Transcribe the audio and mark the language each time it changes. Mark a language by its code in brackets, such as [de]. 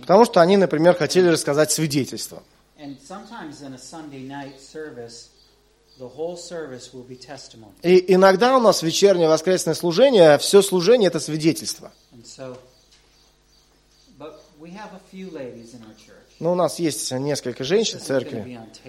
[ru] Потому что они, например, хотели рассказать свидетельство. [en] And sometimes in a Sunday night service, the whole service will be testimony. [ru] И иногда у нас вечернее воскресное служение, все служение – это свидетельство. [en] And so, we have a few ladies in our church. [ru] Но у нас есть несколько женщин в церкви.